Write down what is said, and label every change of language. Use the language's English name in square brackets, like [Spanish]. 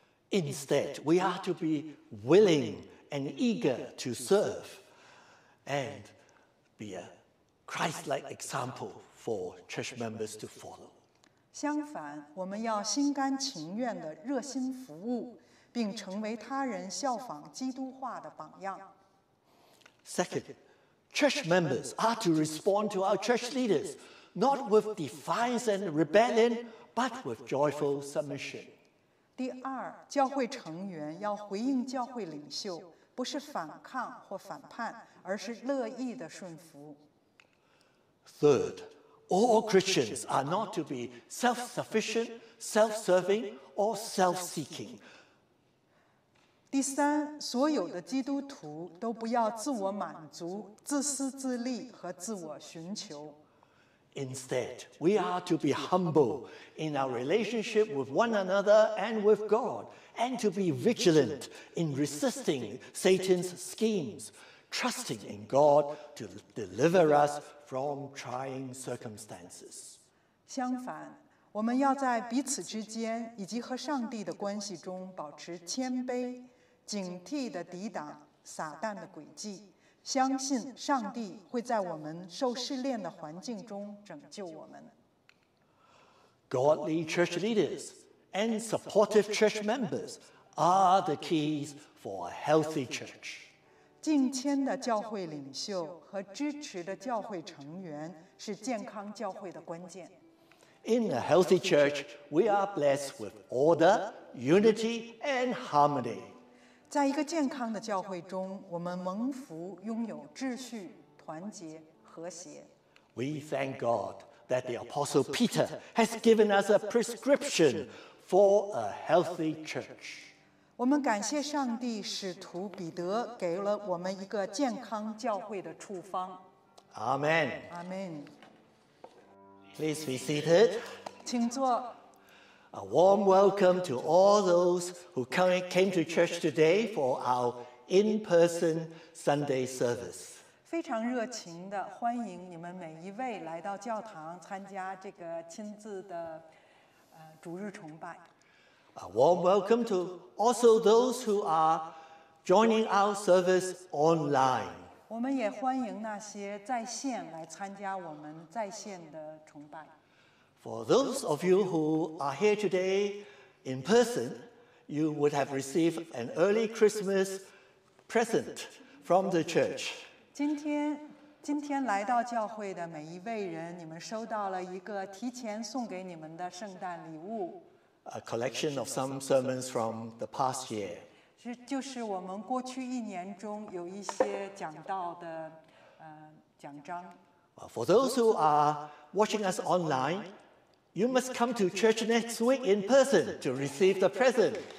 [English] Instead, we are to be willing and eager to serve and be a Christ-like example for church members to follow. [Chinese] 相反，我们要心甘情愿地热心服务，并成为他人效仿基督化的榜样。 [English] Second, church members are to respond to our church leaders, not with defiance and rebellion, but with joyful submission. [Chinese] 第二，教会成员要回应教会领袖，不是反抗或反叛，而是乐意地顺服。 [English] Third, All Christians are not to be self-sufficient, self-serving, or self-seeking. [Chinese] 第三，所有的基督徒都不要自我满足、自私自利和自我寻求。 [English] Instead, we are to be humble in our relationship with one another and with God, and to be vigilant in resisting Satan's schemes, trusting in God to deliver us from trying circumstances. [Chinese] 相反，我们要在彼此之间以及和上帝的关系中保持谦卑，警惕地抵挡撒旦的诡计。相信上帝会在我们受试炼的环境中拯救我们。 [English] Godly church leaders and supportive church members are the keys for a healthy church. [Chinese] 敬虔的教会领袖和支持的教会成员是健康教会的关键。 [English] In a healthy church, we are blessed with order, unity, and harmony. [Chinese] 在一个健康的教会中，我们蒙福拥有秩序、团结、和谐。 [English] We thank God that the Apostle Peter has given us a prescription for a healthy church. [Chinese] 我们感谢上帝，使徒彼得给了我们一个健康教会的处方。 [English] Amen. Amen. Please be seated. [Chinese] 请坐。 [English] A warm welcome to all those who came to church today for our in-person Sunday service. [Chinese] 非常热情的欢迎你们每一位来到教堂参加这个亲自的主日崇拜。 [English] A warm welcome to also those who are joining our service online. [Chinese] 我们也欢迎那些在线来参加我们在线的崇拜。 [English] For those of you who are here today in person, you would have received an early Christmas present from the church. [Chinese] 今天来到教会的每一位人，你们收到了一个提前送给你们的圣诞礼物。 [English] A collection of some sermons from the past year. [Chinese] 就是我们过去一年中有一些讲到的讲章。 [English] For those who are watching us online, you must come to church next week in person to receive the present.